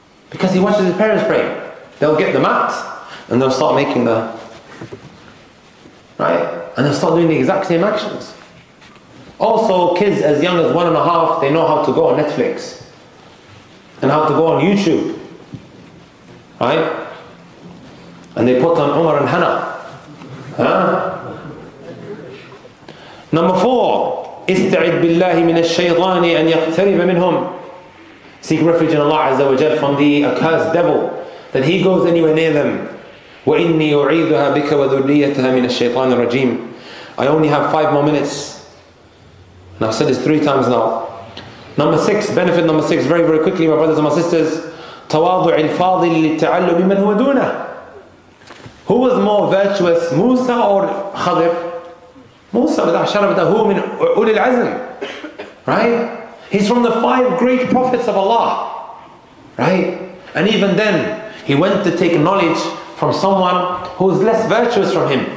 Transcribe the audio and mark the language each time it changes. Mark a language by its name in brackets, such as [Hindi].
[English] Because he watches his parents pray. They'll get the mat and they'll start making the, right? And they'll start doing the exact same actions. Also, kids as young as 1.5, they know how to go on Netflix and how to go on YouTube. Right? And they put on Umar and Hannah. Number four, [Arabic] استعد بالله من الشيطان أن يقترب منهم. [English] Seek refuge in Allah Azza wa Jal from the accursed devil, that he goes anywhere near them. [Arabic] وإني أعيذها بك وذريتها من الشيطان الرجيم. [English] I only have 5 more minutes. And I've said this 3 times now. Number six, benefit number six, very, very quickly, my brothers and my sisters. [Arabic] تواضع الفاضل للتعلم من هو دونه. [English] Who was more virtuous, Musa or Khadr? Musa, with Asharabda, who min Ulil Azm? Right? He's from the 5 great prophets of Allah. Right? And even then, he went to take knowledge from someone who's less virtuous from him.